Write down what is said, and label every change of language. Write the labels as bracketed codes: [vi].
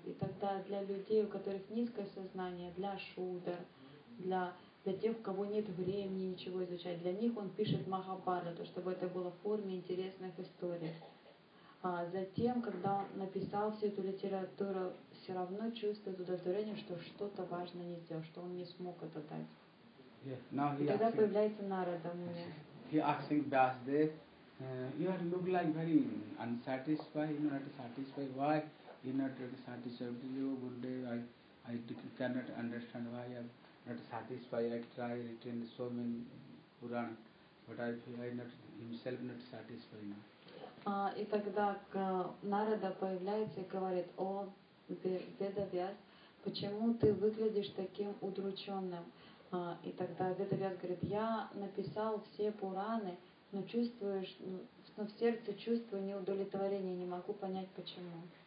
[ru] И тогда для людей, у которых низкое сознание, для шудр, для тех, у кого нет времени ничего изучать, для них он пишет Махабхарату, чтобы это было в форме интересных историй. А затем, когда он написал всю эту литературу, все равно чувствует удовлетворение, что что-то важное не сделал, что он не смог это дать. [en] Yeah. Now [ru] тогда появляется Нарада мне. [en] He asking Vyasadev, you are look like very unsatisfied, you not satisfied. Why you not satisfied? You Gurudev, I cannot understand why you are not satisfied. I try written so many Puran, but I feel I not himself not satisfied. Now. [ru] И тогда Нарада появляется и говорит: О, Веда Вьяс, почему ты выглядишь таким удрученным? И тогда Веда Вьяс говорит, я написал все Пураны, но чувствуешь, но в сердце чувствую неудовлетворение, не могу понять почему.